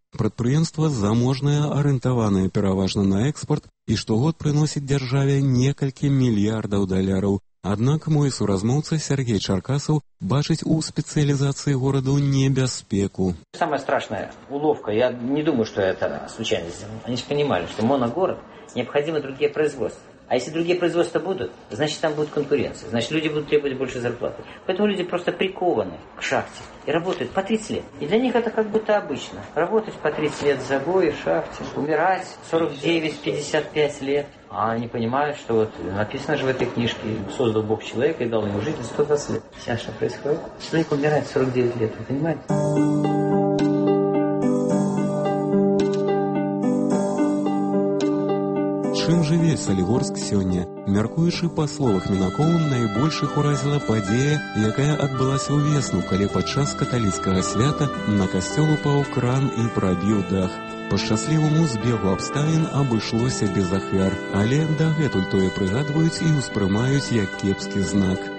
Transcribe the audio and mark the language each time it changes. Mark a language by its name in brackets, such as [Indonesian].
[Belarusian] Прадпрыемства заможнае, арыентаванае пераважна на экспорт і штогод прыносіць дзяржаве некалькі мільярдаў даляраў. Аднак мой суразмоўца Сергей Чаркасаў бачыць у спецыялізацыі гораду небяспеку. [Russian] Самая страшная уловка, я не думаю, [Belarusian] што гэта [Russian] случайна. Они ж понимали, што моногород, необходимы другие производства. А если другие производства будут, значит там будет конкуренция. Значит люди будут требовать больше зарплаты. Поэтому люди просто прикованы к шахте и работают по 30 лет. И для них это как будто обычно. Работать по 30 лет в забое, в шахте, умирать 49-55 лет. А они понимают, что вот написано же в этой книжке, создал Бог человека и дал ему жизнь 120 лет. Сейчас что происходит? Человек умирает 49 лет, вы понимаете? [Belarusian] Чым жыве Салігорск сёння? Мяркуючы па словах мінакоў, найбольшых уразіла падзея, якая адбылася ўвесну, калі падчас каталіцкага свята на касцёл упаў кран і прабіў дах. Па шчасліваму збегу абставін абышлося без ахвяр, але дагэтуль тое прыгадваюць і ўспрымаюць як кепскі знак.